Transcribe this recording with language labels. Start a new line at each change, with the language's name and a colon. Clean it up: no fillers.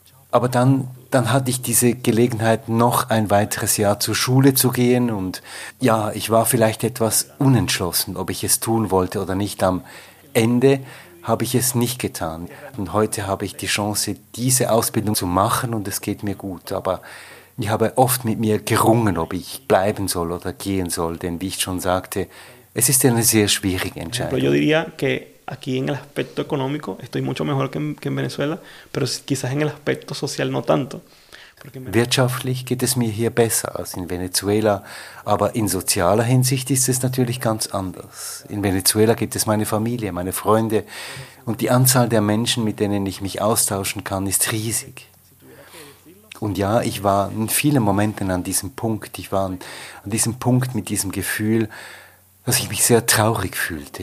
German: Aber dann hatte ich diese Gelegenheit, noch ein weiteres Jahr zur Schule zu gehen und ja, ich war vielleicht etwas unentschlossen, ob ich es tun wollte oder nicht. Am Ende habe ich es nicht getan. Und heute habe ich die Chance, diese Ausbildung zu machen und es geht mir gut. Aber ich habe oft mit mir gerungen, ob ich bleiben soll oder gehen soll. Denn wie ich schon sagte, es ist eine sehr schwierige Entscheidung.
Spanish: Yo diría que aquí en el aspecto económico estoy mucho mejor que en Venezuela, pero quizás en el aspecto social no tanto.
German: Wirtschaftlich geht es mir hier besser als in Venezuela, aber in sozialer Hinsicht ist es natürlich ganz anders. In Venezuela gibt es meine Familie, meine Freunde und die Anzahl der Menschen, mit denen ich mich austauschen kann, ist riesig. Und ja, ich war in vielen Momenten an diesem Punkt, ich war an diesem Punkt mit diesem Gefühl, dass ich mich sehr traurig fühlte.